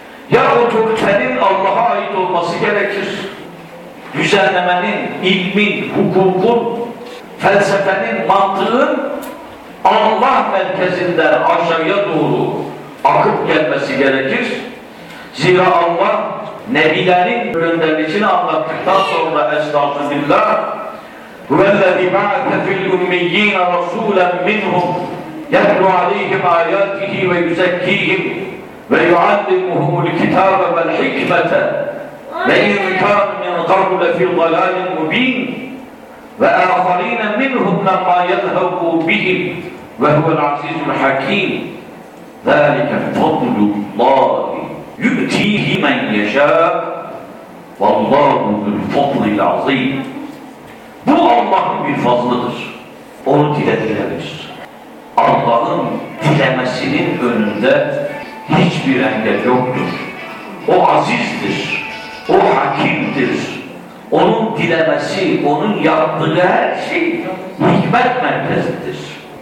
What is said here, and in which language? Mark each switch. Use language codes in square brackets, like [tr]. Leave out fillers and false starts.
[tr] Ya otoritenin Allah'a ait olması gerekir. Düzenlemenin, ilmin, hukukun, felsefenin, mantığın Allah merkezinden aşağıya doğru akıp gelmesi gerekir. Zira Allah nebilerin göndericini anlattıktan sonra estağfirullah [ar] وَالَّذِي بَعَثَ فِي الْاُمِّيِّينَ رَسُولًا مِّنْهُمْ يَتْلُوا عَلَيْهِمْ آيَاتِهِ وَيُزَكِّيهِمْ وَيُعَلِّمُهُمُ الْكِتَابَ وَالْحِكْمَةَ وَإِنْ كَانُوا مِنْ قَبْلُ فِي ضَلَالٍ مُّبِينٍ وآخرين منهم لما يذهب بهم وهو العزيز الحكيم ذلك فضل الله يؤتيه من يشاء والله ذو الفضل العظيم. [tr] Bu Allah'ın bir fazlıdır. Onu dilediler. Allah'ın dilemesinin önünde hiçbir engel yoktur. O azizdir. O hakimdir. Onun dilemesi, onun yaptığı her şey hikmet merkezidir.